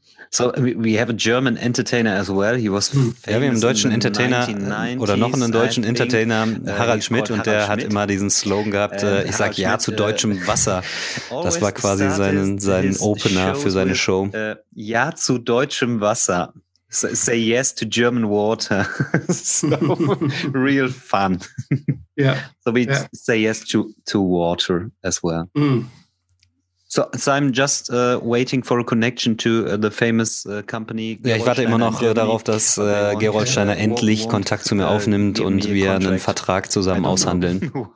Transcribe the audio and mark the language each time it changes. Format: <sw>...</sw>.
<en>So we have a German entertainer as well. He was famous.</en> <de>Ja, wir haben einen deutschen Entertainer oder noch einen deutschen Entertainer, Harald Schmidt, und der hat immer diesen Slogan gehabt, ich sag ja zu deutschem Wasser. Das war quasi sein Opener für seine Show. Ja zu deutschem Wasser.</de> <en>Say yes to German water. So, real fun. Yeah. So say yes to water as well. Mm. So I'm just waiting for a connection to the famous company.</en> <de>Ja, ich warte immer noch darauf, dass Gerold Steiner endlich Kontakt zu mir aufnimmt und wir einen Vertrag zusammen aushandeln.</de>